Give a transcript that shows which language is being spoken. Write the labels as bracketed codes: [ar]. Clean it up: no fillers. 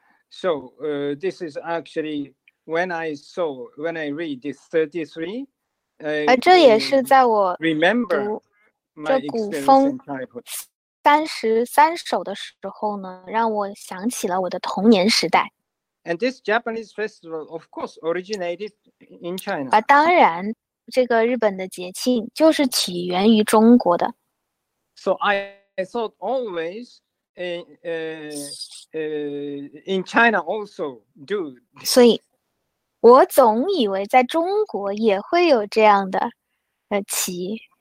[en] so this is actually when I saw when I read this 33. [zh] 这也是在我 [en] remember [zh] 这古风33首的时候呢，让我想起了我的童年时代。 [en] And this Japanese festival, of course, originated in China. [zh] 当然，这个日本的节庆就是起源于中国的。 [en] So I thought always in China also do. [zh] 所以，我总以为在中国也会有这样的旗。